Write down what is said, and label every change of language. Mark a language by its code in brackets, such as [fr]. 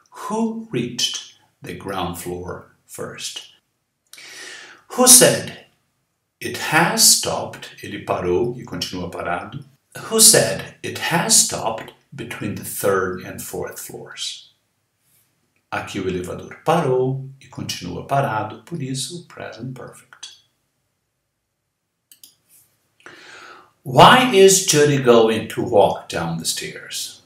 [en] Who reached the ground floor first? Who said it has stopped? [pt] Ele parou e continua parado. [en] Who said it has stopped between the third and fourth floors? [pt] Aqui o elevador parou e continua parado, por isso o present perfect. [en] Why is Judy going to walk down the stairs?